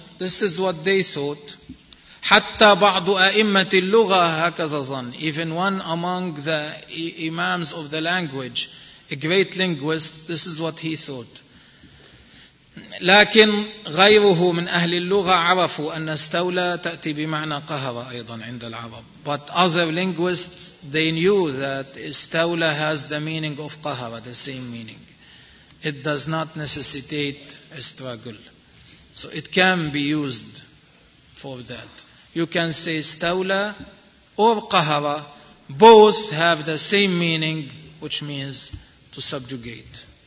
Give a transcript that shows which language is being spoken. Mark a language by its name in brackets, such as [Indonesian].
[English] This is what they thought. [Arabic] Hatta ba'du a'immati al-lugha hakaza zan. [English] Even one among the imams of the language, a great linguist, this is what he thought. [Arabic] لكن غيره من أهل اللغة عرفوا أن استولى تأتي بمعنى قهر أيضا عند العرب. [English] But other linguists, they knew that استولى has the meaning of قهر, the same meaning. It does not necessitate a struggle. So it can be used for that. You can say استولى or قهر. Both have the same meaning, which means to subjugate.